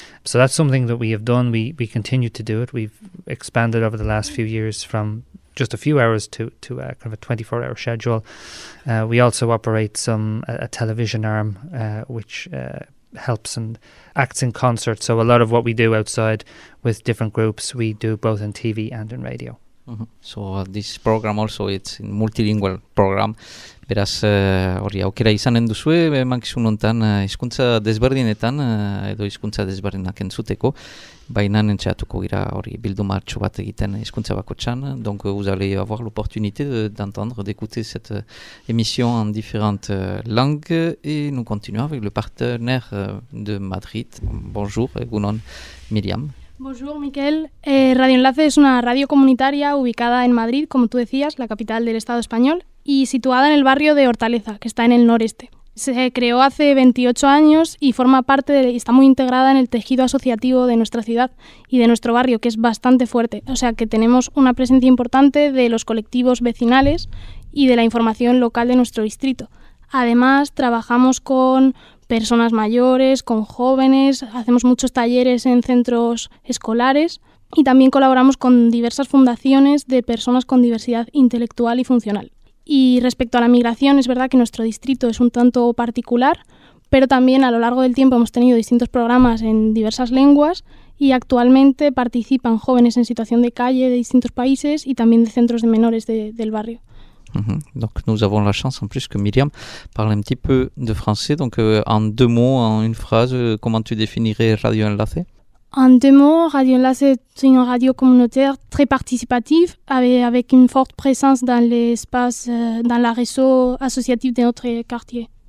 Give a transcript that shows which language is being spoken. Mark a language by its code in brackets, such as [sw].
[en] So that's something that we have done. We continue to do it. We've expanded over the last few years from just a few hours to a kind of a 24-hour schedule. We also operate a television arm, which helps and acts in concert. So a lot of what we do outside with different groups, we do both in TV and in radio. So this program also, it's a multilingual program. [eu] Beraz, hori aukera izanen duzue, emankizun hontan hizkuntza desberdinetan edo hizkuntza desberdinak entzuteko, baina entzatuko gira hori bildumartxo bat egiten hizkuntza bakotxan. [fr] Donc, vous allez avoir l'opportunité d'entendre, d'écouter cette émission en différentes langues et nous continuons avec le partenaire de Madrid. Bonjour, [eu] egunon, [fr] Miriam. Bonjour, Miquel. [es] Radio Enlace es una radio comunitaria ubicada en Madrid, como tú decías, la capital del Estado español, y situada en el barrio de Hortaleza, que está en el noreste. Se creó hace 28 años y forma parte y está muy integrada en el tejido asociativo de nuestra ciudad y de nuestro barrio, que es bastante fuerte. O sea que tenemos una presencia importante de los colectivos vecinales y de la información local de nuestro distrito. Además, trabajamos con personas mayores, con jóvenes, hacemos muchos talleres en centros escolares y también colaboramos con diversas fundaciones de personas con diversidad intelectual y funcional. Y respecto a la migración, es verdad que nuestro distrito es un tanto particular, pero también a lo largo del tiempo hemos tenido distintos programas en diversas lenguas y actualmente participan jóvenes en situación de calle de distintos países y también de centros de menores del barrio. [fr] Donc nous avons la chance en plus que Myriam parle un petit peu de français. Donc en deux mots, en une phrase, comment tu définirais Radio Enlace? En deux mots, Radio Enlace est une radio communautaire très participative avec une forte présence dans l'espace, dans la réseau associatif de notre quartier.